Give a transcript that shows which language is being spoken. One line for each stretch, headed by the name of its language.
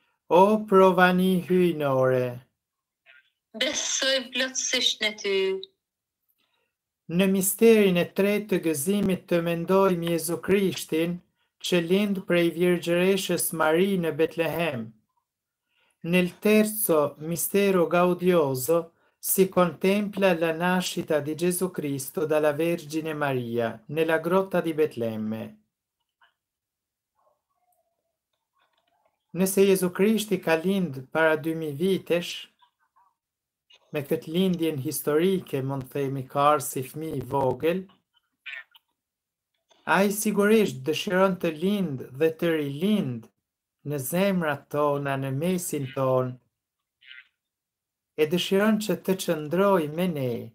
Albanian: O provani hyjnore. Besoj plotësisht në ty. Në misterin e tretë të gëzimit të mendojmë Jezu Krishtin, që lindë prej Virgjëreshës Mari në Betlehem.
Italian: Nel terzo mistero gaudioso si contempla la nascita di Gesù Cristo dalla Vergine Maria nella grotta di Betlemme.
Albanian: Nëse Jezu Krishti ka lindë para 2000 vitesh, me këtë lindjen historike mund themi ka arë si fëmijë i vogël, ai sigurisht dëshiron të lindë dhe të rilindë në zemrat tona, në mesin ton, e dëshiron që të qëndroj me ne.